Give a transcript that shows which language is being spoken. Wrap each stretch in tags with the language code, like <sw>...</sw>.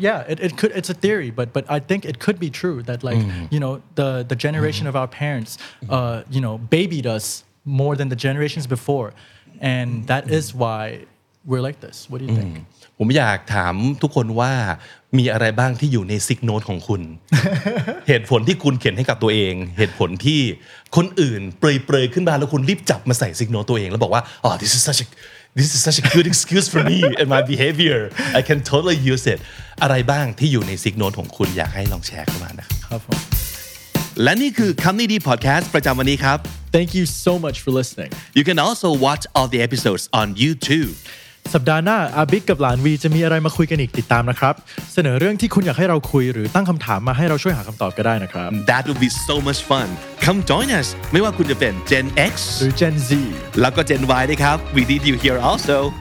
<en>yeah it could it's a theory but I think it could be true that like you know the generation of our parents you know babied us more than the generations before and that is why we're like this what do you think</en> <th>ผมอยากถามทุกคนว่ามีอะไรบ้างที่อยู่ใน stick note ของคุณเหตุผลที่คุณเขียนให้กับตัวเองเหตุผลที่คนอื่นเปรยๆขึ้นมาแล้วคุณรีบจับมาใส่ stick note ตัวเองแล้วบอกว่าอ๋อ</th> <en>this is such a good excuse for me and my behavior I can totally use it</en> <th>อะไรบ้างที่อยู่ใน stick note ของคุณอยากให้ลองแชร์เข้ามานะ ครับ และนี่คือคำนี้ดีพอดแคสต์ประจำวันนี้ครับ</th> <en>Thank you so much for listening You can also watch all the episodes on YouTube</en> <th>สัปดาห์หน้าอาบิ๊กกับหลานวีจะมีอะไรมาคุยกันอีกติดตามนะครับเสนอเรื่องที่คุณอยากให้เราคุยหรือตั้งคำถามมาให้เราช่วยหาคำตอบก็ได้นะครับ</th> <en>That would be so much fun Come join us</en> <th>ไม่ว่าคุณจะเป็น</th> <en>Gen X</en> <th>หรือ Gen Z แล้วก็ Gen Y นะครับ</th> <en>We need you here also</en>